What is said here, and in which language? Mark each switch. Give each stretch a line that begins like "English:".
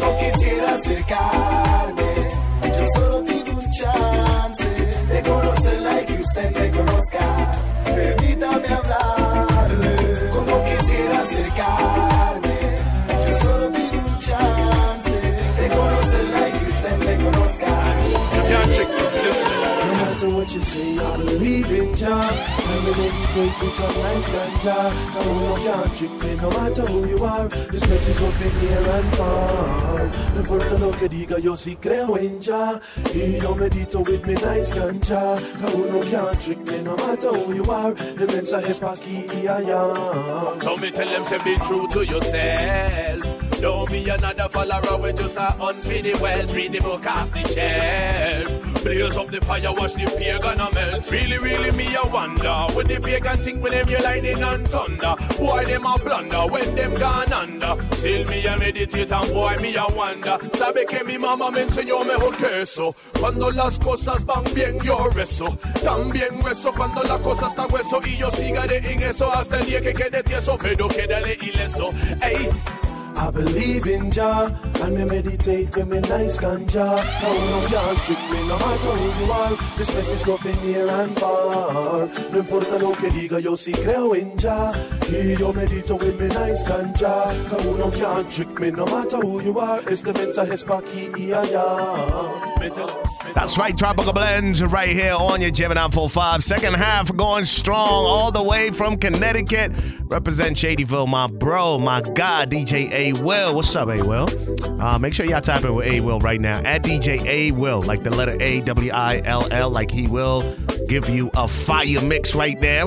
Spanish: Como quisiera acercarme, yo solo pido un chance de conocerla y que usted me conozca. Permítame hablarle. Como quisiera acercarme, yo solo pido un chance de conocerla y que usted me conozca.
English: No matter what you say, I believe in Jah. Remember when you take it, some nice ganja. No, no, can't trick me, no matter who you are. This message will be near and far.
Spanish: No importa lo que diga, yo sí creo en Jah. Y yo medito
English: with me nice ganja. No, can't trick me, no matter who you are. The
Spanish: mensaje es pa' aquí y allá.
English: So me tell them, say be true to yourself. Don't be another follower with just a unfitted wealth. Read the book off the shelf. Blaze up the fire, watch the pagan a melt. Really, really me a wonder. When the pagan think with them, you're lightning and thunder. Why them a blunder when them gone under? Still me a meditate and boy me a wonder.
Spanish: Sabe que mi mama me enseñó mejor que eso. Cuando las cosas van bien, yo rezo. También rezo cuando la cosa está hueso. Y yo sigaré en eso hasta el día que quede tieso. Pero quédale ileso, ey.
English: I believe in Jah, and me meditate with me nice ganja. No, no, can't trick me, no matter who you are. This message go from near and far.
Spanish: No importa lo que diga, yo sí creo en Jah. Y yo medito
English: with me nice ganja. No, no, can't trick me, no matter who you are.
Spanish: Este mensaje es pa' aquí y allá.
English: That's right, Tropical Blend, right here on your Gemini 45. Second half going strong all the way from Connecticut. Represent Shadyville, my bro, my guy, DJ A. Will. What's up, A. Will? Make sure y'all type in with A Will right now. At DJ A Will, like the letter A-W-I-L-L, like he will give you a fire mix right now.